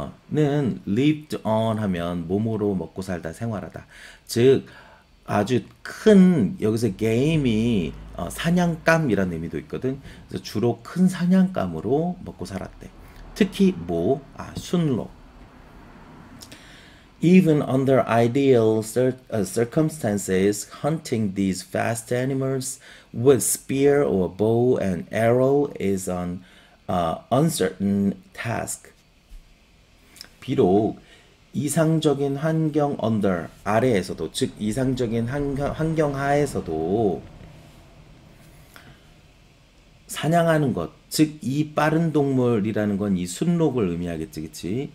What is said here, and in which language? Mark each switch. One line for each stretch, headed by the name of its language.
Korean: 는
English: lived on
Korean: 하면 몸으로 먹고 살다 생활하다. 즉, 아주 큰, 여기서 게임이 사냥감이라는 의미도 있거든. 그래서 주로 큰 사냥감으로 먹고 살았대. 특히 뭐? 아, 순록.
English: Even under ideal circumstances, hunting these fast animals with spear or bow and arrow is an uncertain task.
Korean: 비록 이상적인 환경
English: under
Korean: 아래에서도, 즉 이상적인 환경 하에서도 사냥하는 것, 즉이 빠른 동물이라는 건이 순록을 의미하겠지, 그치?